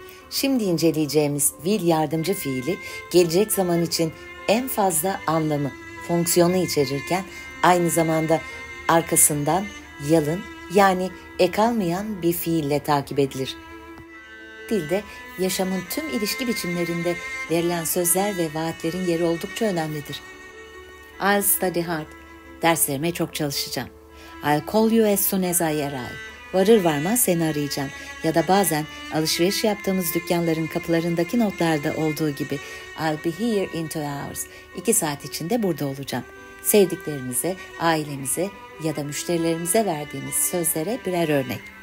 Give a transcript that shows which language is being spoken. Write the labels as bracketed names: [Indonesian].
[Turkish] Şimdi inceleyeceğimiz will yardımcı fiili gelecek zaman için en fazla anlamı, fonksiyonu içerirken aynı zamanda arkasından yalın yani ek almayan bir fiille takip edilir. Dilde yaşamın tüm ilişki biçimlerinde verilen sözler ve vaatlerin yeri oldukça önemlidir. [English] I'll study hard. [Turkish] Derslerime çok çalışacağım. [English] I'll call you as soon as I arrive. [Turkish] Varır varmaz seni arayacağım. Ya da bazen alışveriş yaptığımız dükkanların kapılarındaki notlarda olduğu gibi [English] I'll be here in 2 hours. [Turkish] 2 saat içinde burada olacağım. Sevdiklerimize, ailemize ya da müşterilerimize verdiğimiz sözlere birer örnek.